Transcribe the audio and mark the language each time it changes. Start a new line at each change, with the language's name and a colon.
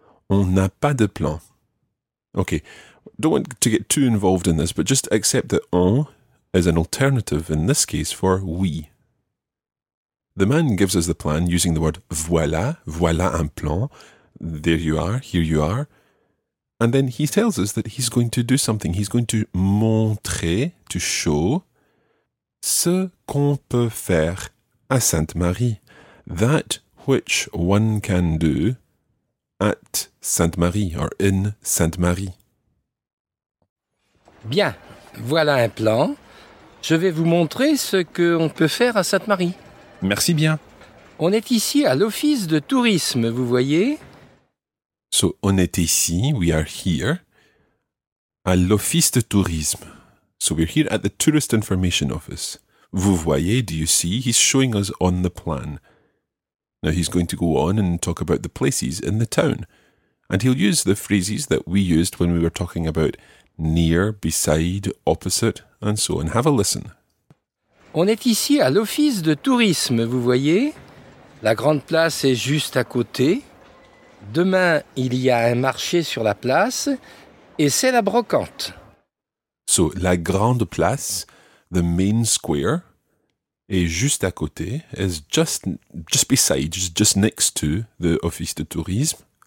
French: On n'a pas de plan.
English: Okay, don't want to get too involved in this, but just accept that on is an alternative in this case for oui. The man gives us the plan using the word voilà,
French: voilà un plan.
English: There you are, here you are. And then he tells us that he's going to do something. He's going to
French: montrer,
English: to show,
French: ce qu'on peut faire à Sainte-Marie.
English: That which one can do at Sainte-Marie or in Sainte-Marie.
French: Bien, voilà un plan. Je vais vous montrer ce qu'on peut faire à Sainte-Marie. Merci bien. On est ici à l'office de tourisme, vous voyez? So, on est ici,
English: we are here,
French: à l'office de tourisme.
English: So, we're here at the Tourist Information Office.
French: Vous voyez,
English: do you see? He's showing us on the plan. Now he's going to go on and talk about the places in the town. And he'll use the phrases that we used when we were talking about near, beside, opposite, and so on. Have a listen.
French: On est ici à l'office de tourisme, vous voyez. La grande place est juste à côté. Demain, il y a un marché sur la place, et c'est la brocante.
English: So,
French: la grande place,
English: the main square,
French: est juste à côté,
English: is just beside, just next to the office de tourisme.